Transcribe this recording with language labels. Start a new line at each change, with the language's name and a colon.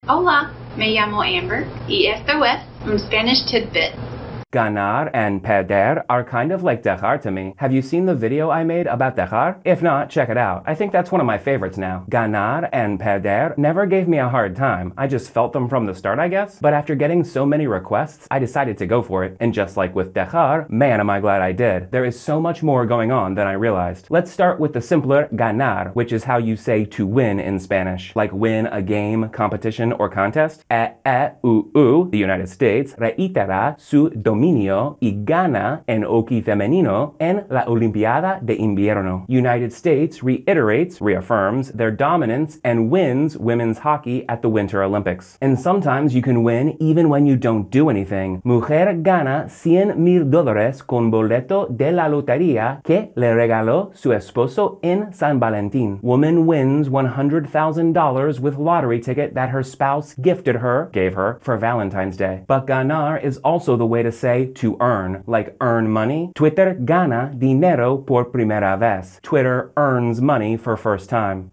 Spanish: Hola, me llamo Amber, y esto es un
English: Spanish tidbit. Ganar and perder are kind of like dejar to me. Have you seen the video I made about dejar? If not, check it out. I think that's one of my favorites now. Ganar and perder never gave me a hard time. I just felt them from the start, I guess. But after getting so many requests, I decided to go for it. And just like with dejar, man, am I glad I did. There is so much more going on than I realized. Let's start with the simpler ganar, which is how you say to win in Spanish. Like win a game, competition, or contest. The United States,
Spanish: reitera su dominio. Dominio y gana en hockey femenino en la Olimpiada de Invierno.
English: United States reaffirms their dominance and wins women's hockey at the Winter Olympics. And sometimes you can win even when you don't do anything.
Spanish: Mujer gana 100 mil dólares con boleto de la lotería que le regaló su esposo en San Valentín.
English: Woman wins $100,000 with lottery ticket that her spouse gave her for Valentine's Day. But ganar is also the way to say to earn, like earn money.
Spanish: Twitter gana dinero por primera vez.
English: Twitter earns money for first time.